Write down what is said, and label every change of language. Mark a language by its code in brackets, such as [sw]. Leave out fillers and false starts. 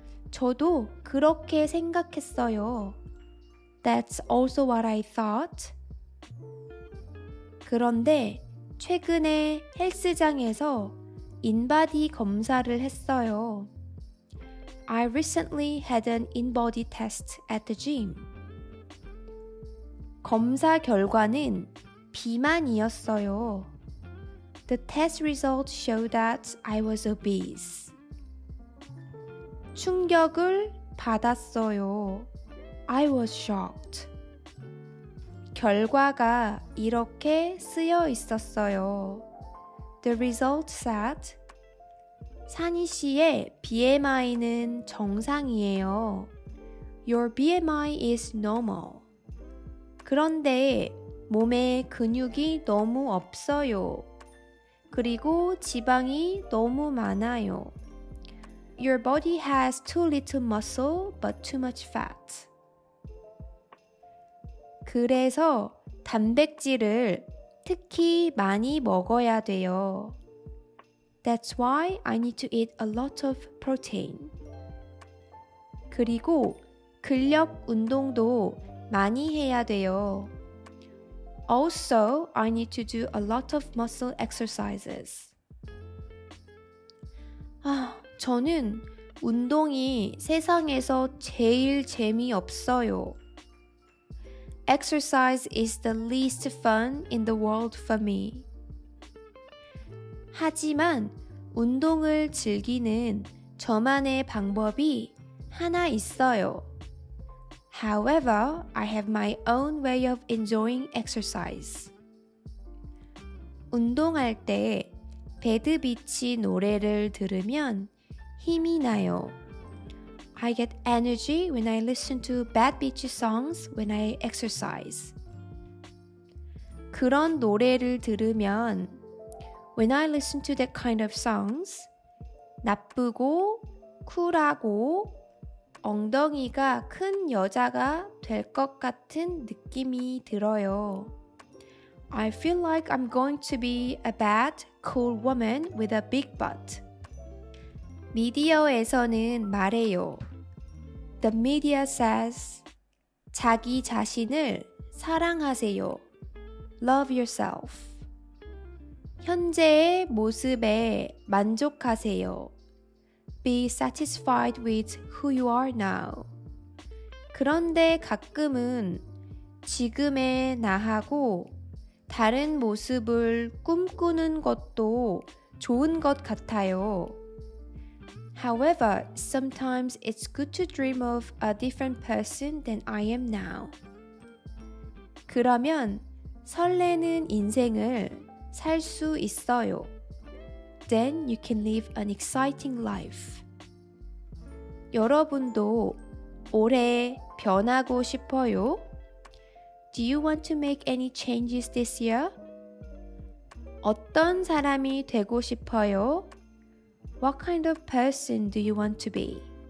[ko] 저도 그렇게 생각했어요. [en] That's also what I thought. [ko] 그런데 최근에 헬스장에서 인바디 검사를 했어요. [en] I recently had an in-body test at the gym. [ko] 검사 결과는 비만이었어요. [en] The test result showed that I was obese. [ko] 충격을 받았어요. [en] I was shocked. [ko] 결과가 이렇게 쓰여 있었어요. [en] The result said, [ko] 산희 씨의 BMI는 정상이에요. [en] Your BMI is normal. [ko] 그런데 몸에 근육이 너무 없어요. 그리고 지방이 너무 많아요. [en] Your body has too little muscle but too much fat. [ko] 그래서 단백질을 특히 많이 먹어야 돼요. [en] That's why I need to eat a lot of protein. [ko] 그리고 근력 운동도 많이 해야 돼요. [en] Also, I need to do a lot of muscle exercises. [ko] 아, 저는 운동이 세상에서 제일 재미없어요. [en] Exercise is the least fun in the world for me. [ko] 하지만 운동을 즐기는 저만의 방법이 하나 있어요. [en] However, I have my own way of enjoying exercise. [ko] 운동할 때 배드비치 노래를 들으면 힘이 나요. [en] I get energy when I listen to Bad Beach songs when I exercise. [ko] 그런 노래를 들으면 [en] When I listen to that kind of songs, [ko] 나쁘고 쿨하고 엉덩이가 큰 여자가 될 것 같은 느낌이 들어요. [en] I feel like I'm going to be a bad, cool woman with a big butt. [ko] 미디어에서는 말해요. [en] The media says, [ko] 자기 자신을 사랑하세요. [en] Love yourself. [ko] 현재의 모습에 만족하세요. [en] Be satisfied with who you are now. [ko] 그런데 가끔은 지금의 나하고 다른 모습을 꿈꾸는 것도 좋은 것 같아요. [en] However, sometimes it's good to dream of a different person than I am now. [ko] 그러면 설레는 인생을 살 수 있어요. [en] Then you can live an exciting life. [ko] 여러분도 올해 변하고 싶어요? [en] Do you want to make any changes this year? [ko] 어떤 사람이 되고 싶어요? [en] What kind of person do you want to be?